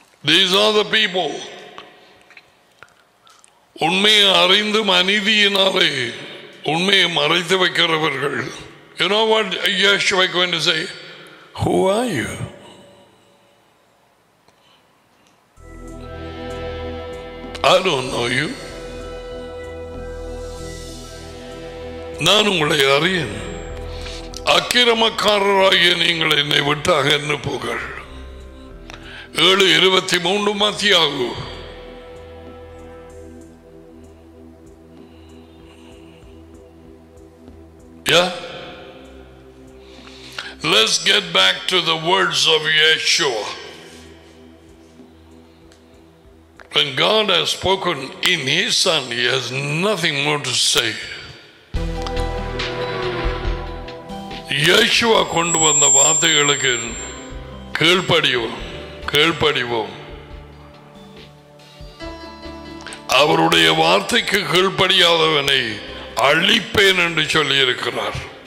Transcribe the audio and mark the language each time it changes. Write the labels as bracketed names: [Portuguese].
[English] These are the people. [Tamil] உண்மையை அறிந்து அநீதியினாலே உண்மையை மறைத்து வைக்கிறவர்கள். [English] You know what Yeshua is going to say? Who are you? I don't know you. [Tamil] நான் உங்களை அறியேன். அக்கிரமக்காரராகிய நீங்கள் என்னை விட்டு அகன்று போகிறீர்கள். 7:23 மத்தியாகு. [English] Yeah. Let's get back to the words of Yeshua. When God has spoken in His Son, He has nothing more to say. [Tamil] Yeshua கொண்டு வந்த வார்த்தைகளுக்கு கீழ்ப்படிவோம், கீழ்ப்படிவோம். அவருடைய வார்த்தைக்கு கீழ்ப்படியாதவனை அழிப்பேன் என்று சொல்லி இருக்கிறார்.